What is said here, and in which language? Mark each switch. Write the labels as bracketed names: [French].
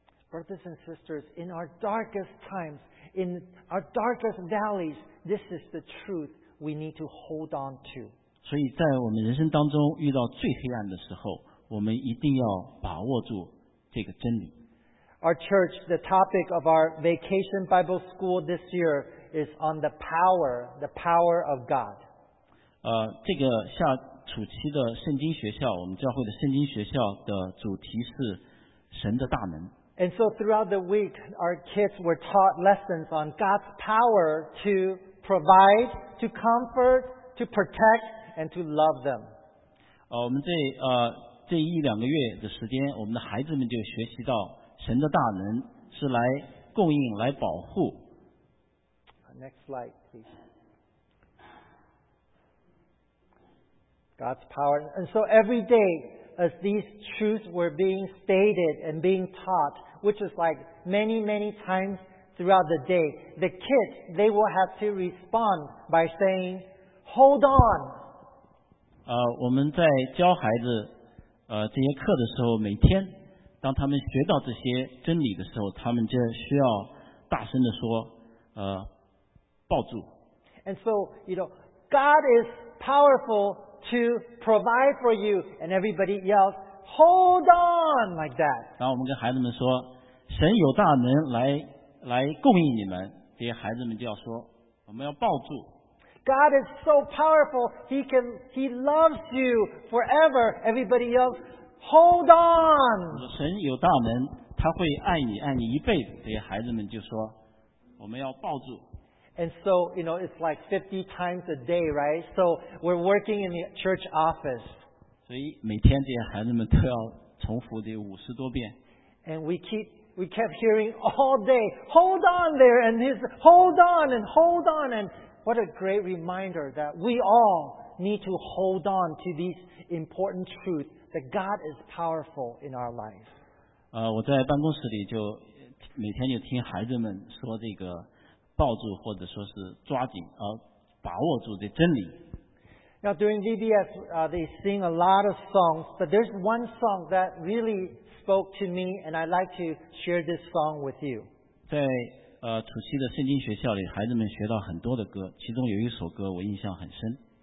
[English] Brothers and sisters, in our darkest times, in our darkest valleys, this is the truth we need to hold on to. [Chinese] 所以在我们人生当中遇到最黑暗的时候，我们一定要把握住这个真理。 [English] Our church, the topic of our vacation Bible school this year is on the power of God. [Chinese] 这个下暑期的圣经学校，我们教会的圣经学校的主题是神的大能。 [English] And so throughout the week, our kids were taught lessons on God's power to provide, to comfort, to protect, and to love them. [Chinese] 我们这一两个月的时间，我们的孩子们就学习到神的大能是来供应、来保护。 [English] Next slide, please. God's power. And so every day, as these truths were being stated and being taught,which is like many, many times throughout the day, the kids, they will have to respond by saying, hold on. [Chinese] 我们在教孩子这些课的时候，每天当他们学到这些真理的时候，他们就需要大声地说抱住。 [English] And so, you know, God is powerful to provide for you. And everybody yells, hold on, like that. [Chinese] 然后我们跟孩子们说神有大能来供应你们，这些孩子们就要说我们要抱住。 [English] God is so powerful, He loves you forever. Everybody else, hold on. [Chinese] 神有大能，他会爱你，爱你一辈子，这些孩子们就说我们要抱住。 [English] And so, you know, it's like 50 times a day, right? So we're working in the church office. [Chinese] 所以每天这些孩子们都要重复这50多遍。 [English] And we kept hearing all day, hold on there, and he's hold on and hold on. And what a great reminder that we all need to hold on to these important truths that God is powerful in our life. [Chinese] 我在办公室里就每天就听孩子们说这个抱住或者说是抓紧把握住的真理。 [English] Now during VBS, they sing a lot of songs, but there's one song that really spoke to me, and I'd like to share this song with you. [Chinese] 在暑期的圣经学校里，孩子们学到很多的歌，其中有一首歌我印象很深。